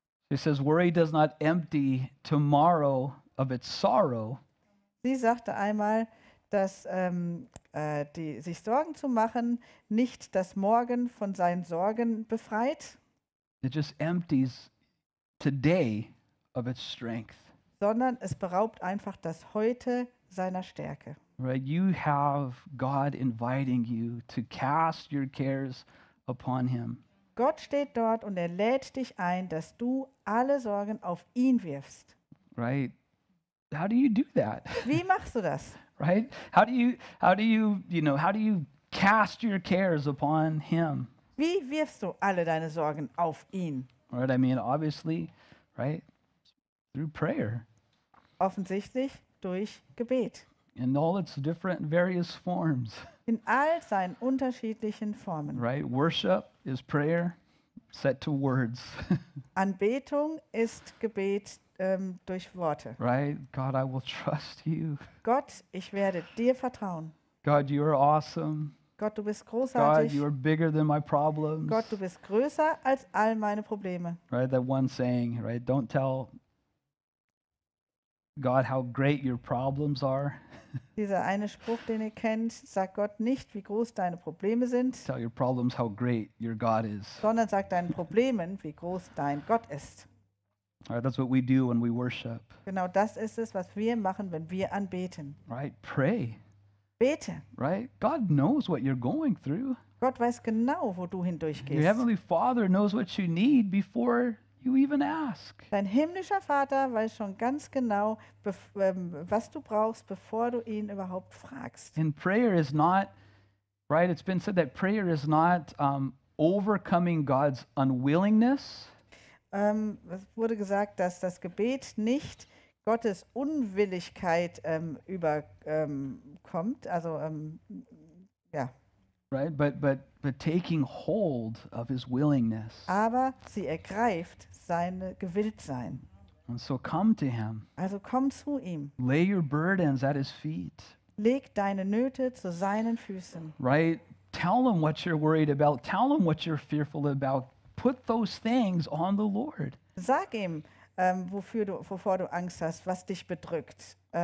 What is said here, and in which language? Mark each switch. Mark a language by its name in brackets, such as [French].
[English] She says, worry does not empty tomorrow of its sorrow. [German] Sie sagte einmal, dass sich Sorgen zu machen nicht das Morgen von seinen Sorgen befreit. [English] It just empties today of its strength. [German] Sondern es beraubt einfach das Heute seiner Stärke. [English] Right, you have God inviting you to cast your cares upon him. [German] Gott steht dort und er lädt dich ein, dass du alle Sorgen auf ihn wirfst. [English] Right, how do you do that? [German] Wie machst du das? [English] Right, how do you cast your cares upon him? [German] Wie wirfst du alle deine Sorgen auf ihn? [English] Right, I mean, obviously, right, through prayer. [German] Offensichtlich durch Gebet. [English] In all its different various forms. [German] In all seinen unterschiedlichen Formen. [English] Right, worship is prayer set to words. [German] Anbetung ist Gebet durch Worte. [English] Right, God, I will trust you. [German] Gott, ich werde dir vertrauen. [English] God, you are awesome. [German] Gott, du bist großartig. [English] God, you are bigger than my problems. [German] Gott, du bist größer als all meine Probleme. [English] Right, that one saying, right, don't tell God, how great your problems are. [German] Dieser eine Spruch, den ihr kennt, sagt Gott nicht, wie groß deine Probleme sind. [English] Tell your problems how great your God is. [German] Sondern sagt deinen Problemen, wie groß dein Gott ist. [English] All right, that's what we do when we worship. [German] Genau das ist es, was wir machen, wenn wir anbeten. [English] Right, pray. [German] Bete. [English] Right, God knows what you're going through. [German] Gott weiß genau, wo du hindurchgehst. [English] Your heavenly Father knows what you need before you even ask. [German] Dein himmlischer Vater weiß schon ganz genau, was du brauchst, bevor du ihn überhaupt fragst. [English] And prayer is not, right, it's been said that prayer is not overcoming God's unwillingness. [German] Es wurde gesagt, dass das Gebet nicht Gottes Unwilligkeit überkommt, also ja. [English] Right, but taking hold of his willingness. [German] Aber sie ergreift seine Gewilltsein. [English] And so come to him. [German] Also komm zu ihm. [English] Lay your burdens at his feet. [German] Leg deine Nöte zu seinen Füßen. [English] Right, tell him what you're worried about. Tell him what you're fearful about. Put those things on the Lord. [German] Sag ihm, wovor du Angst hast, was dich bedrückt.